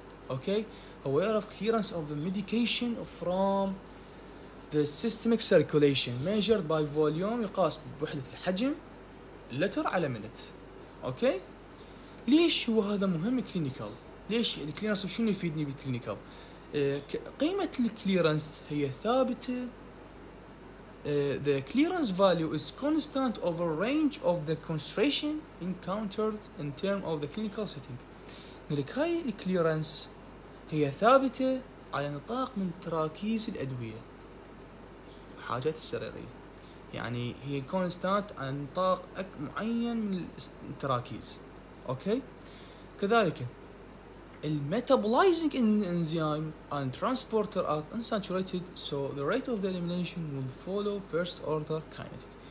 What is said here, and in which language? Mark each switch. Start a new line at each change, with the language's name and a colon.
Arabic: اوكي، هو يعرف
English: clearance of medication from the systemic circulation measured by volume
Arabic: يقاس بوحدة الحجم لتر على منت. اوكي، ليش هو هذا مهم كلينيكال؟ ليش الكليرانس شنو يفيدني بالكلينيكال؟ قيمة الكليرانس هي ثابتة.
English: The clearance value is constant over range of the concentration encountered in term of the clinical setting.
Arabic: لك هاي الكليرانس هي ثابتة على نطاق من تراكيز الأدوية حاجات السريرية، يعني هي كونستانت على نطاق معين من التراكيز.
English: Okay, كذلك الميتابولايزنج enzyme and transporter are unsaturated so the rate of the elimination will follow first order kinetic.